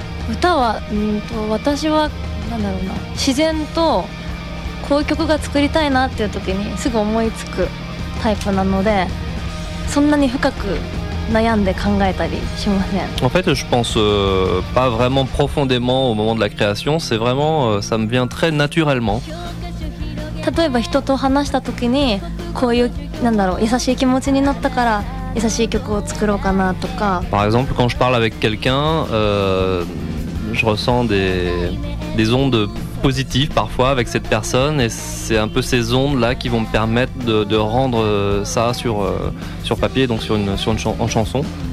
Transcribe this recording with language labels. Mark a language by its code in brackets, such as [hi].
[ja] 歌は、私は何だろうな自然とこういう曲が作りたいなっていう時にすぐ思いつくタイプなのでそんなに深く悩んで考えたりしません。 [fr] En fait, je pense pas vraiment profondément au moment de la création. C'est vraiment, ça me vient très naturellement. [ja] 例えば人と話した時にこういう何だろう優しい気持ちになったから。 [fr] Par exemple, quand je parle avec quelqu'un, je ressens des ondes positives parfois avec cette personne, et c'est un peu ces ondes-là qui vont me permettre de rendre ça sur papier, donc en chanson.